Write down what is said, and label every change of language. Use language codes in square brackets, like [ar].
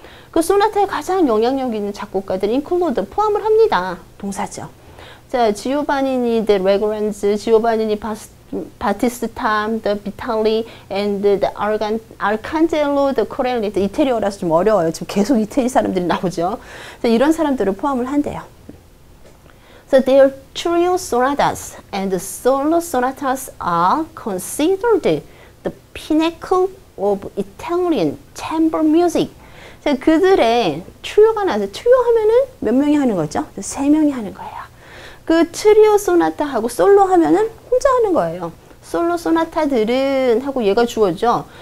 [ko] 그 소나타에 가장 영향력 있는 작곡가들 include 포함을 합니다. 동사죠. 자, 지오바니니 the Lagrange, 지오바니니 바티스타, the Vitali, and the Arcangelo, the Corelli. 이태리어라서 좀 어려워요. 지금 계속 이태리 사람들이 나오죠. 그래서 이런 사람들을 포함을 한대요. [en] So their trio sonatas and solo sonatas are considered the pinnacle of Italian chamber music. [ko] 자, 그들의 트리오가 나서 트리오 하면은 몇 명이 하는 거죠? 세 명이 하는 거예요. 그 트리오 소나타하고 솔로 하면은 혼자 하는 거예요. 솔로 소나타들은 하고 얘가 주어죠.